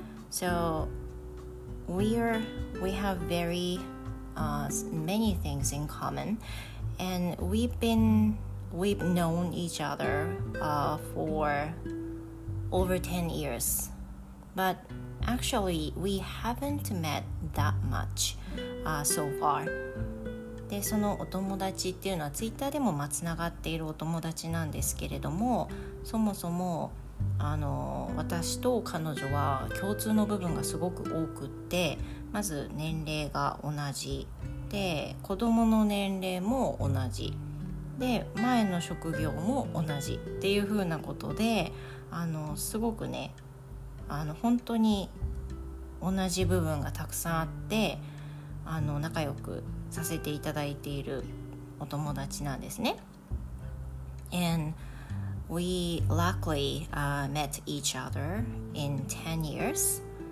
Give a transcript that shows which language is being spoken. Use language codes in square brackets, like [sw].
[en] So we have very, many things in common, and we've known each other for over 10 years. But actually, we haven't met that much so far. [ja] で、そのお友達っていうのは Twitter でもまつながっているお友達なんですけれども、そもそも私と彼女は共通の部分がすごく多くって、まず年齢が同じで、子供の年齢も同じ。で、前の職業も同じっていう風なことで、すごくね、本当に同じ部分がたくさんあって、仲良くさせていただいているお友達なんですね。 [en] And we luckily met each other in 10 years.